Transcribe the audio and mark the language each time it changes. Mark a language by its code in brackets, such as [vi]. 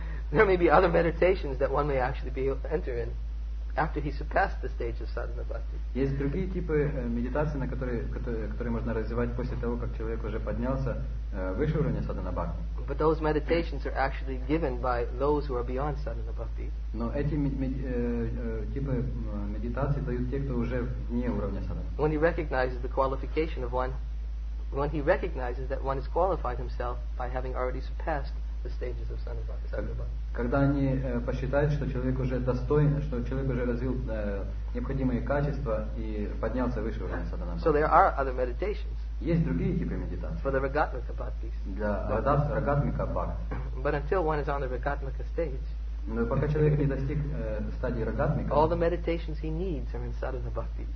[en] There may be other meditations that one may actually be able to enter in after he surpassed the stage of sadhana bhakti. [ru] Есть другие типы медитации, на которые можно развивать после того, как человек уже поднялся выше уровня sadhana bhakti. [en] But those meditations are actually given by those who are beyond sadhana bhakti. [ru] Но эти типы медитации дают те, кто уже вне уровня садхана. [en] When he recognizes the qualification of one, when he recognizes that one is qualified himself by having already surpassed the stages of sadhana bhakti. [ru] Когда они посчитают, что человек уже достоин, что человек уже развил необходимые качества и поднялся выше уровня садхана. [en] So there are other meditations. [ru] Есть другие типы медитации. [en] For the рагатмика бхакти. [ru] Для рагатмика бхакти. [en] But until one is on the рагатмика stage. [ru] Но пока человек не достиг стадии рагатмика. [en] All the meditations he needs are in sadhana bhakti.